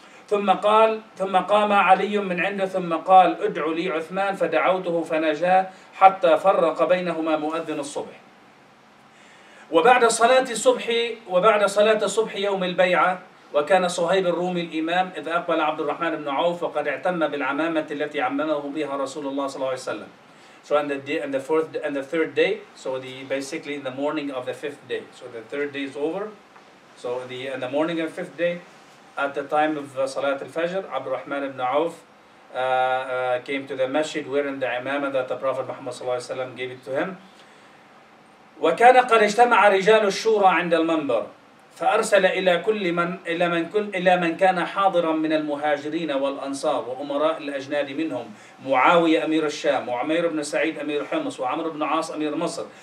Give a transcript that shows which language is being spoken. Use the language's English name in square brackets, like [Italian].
[Arabic] ثم قال ثم قام علي من عنده ثم قال ادعو لي عثمان فدعوته فناجاه حتى فرق بينهما مؤذن الصبح وبعد صلاة الصبح وبعد صلاة الصبح يوم البيعة وكان صهيب الرومي الإمام إذ أقبل عبد الرحمن بن عوف وقد اعتم بالعمامة التي عممه بها رسول الله صلى الله عليه وسلم. [English] So on the day, on the fourth and the third day, so the basically in the morning of the fifth day, so the third day is over. So the in the morning of the fifth day, at the time of Salat al-Fajr, Abd al-Rahman ibn Auf came to the masjid wearing the imama that the Prophet Muhammad صلى الله عليه وسلم gave it to him. [Arabic] وكان قد اجتمع رجال الشورى عند المنبر فأرسل إلى كل من إلى من كل إلى من كان حاضرا من المهاجرين والأنصار وأمراء الأجناد منهم معاوية أمير الشام وعمير بن سعيد أمير حمص وعمر بن عاص أمير مصر.